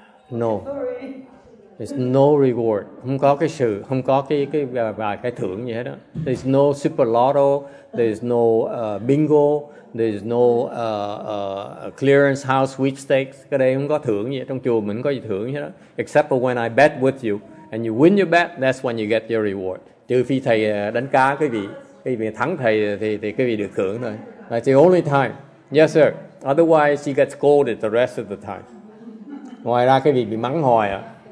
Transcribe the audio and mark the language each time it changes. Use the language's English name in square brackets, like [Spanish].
[English] No. There's no reward. [Vietnamese] Không có cái sự, không có cái thưởng gì hết đó. [English] There's no super lotto. There's no bingo. There's no clearance house sweepstakes. [Vietnamese] Cái đây không có thưởng gì hết. Trong chùa mình không có gì thưởng gì hết đó. [English] Except for when I bet with you and you win your bet, that's when you get your reward. [Vietnamese] Trừ phi thầy đánh cá quý vị, quý vị thắng thầy thì quý vị được thưởng thôi. [English] That's the only time. Yes, sir. Otherwise, you get scolded the rest of the time. [Vietnamese] Ngoài ra quý vị bị mắng hoài à.